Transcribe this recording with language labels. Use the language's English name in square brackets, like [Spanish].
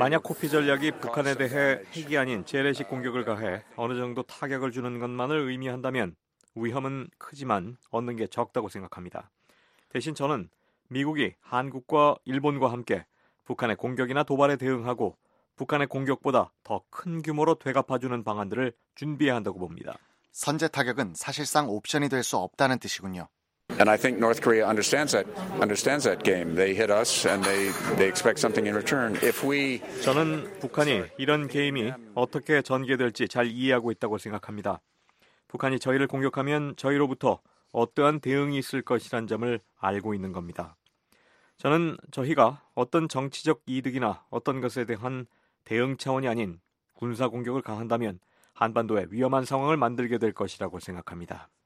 [Korean] 만약 코피 전략이 북한에 대해 핵이 아닌 재래식 공격을 가해 어느 정도 타격을 주는 것만을 의미한다면 위험은 크지만 얻는 게 적다고 생각합니다. 대신 저는 미국이 한국과 일본과 함께 북한의 공격이나 도발에 대응하고 북한의 공격보다 더 큰 규모로 되갚아주는 방안들을 준비해야 한다고 봅니다. 선제 타격은 사실상 옵션이 될 수 없다는 뜻이군요. [English] And I think North Korea understands that game. They hit us and they expect something in return. If we [Korean] 저는 북한이 이런 게임이 어떻게 전개될지 잘 이해하고 있다고 생각합니다. 북한이 저희를 공격하면 저희로부터 어떠한 대응이 있을 것이란 점을 알고 있는 겁니다. 저는 저희가 어떤 정치적 이득이나 어떤 것에 대한 대응 차원이 아닌 군사 공격을 가한다면 한반도에 위험한 상황을 만들게 될 것이라고 생각합니다.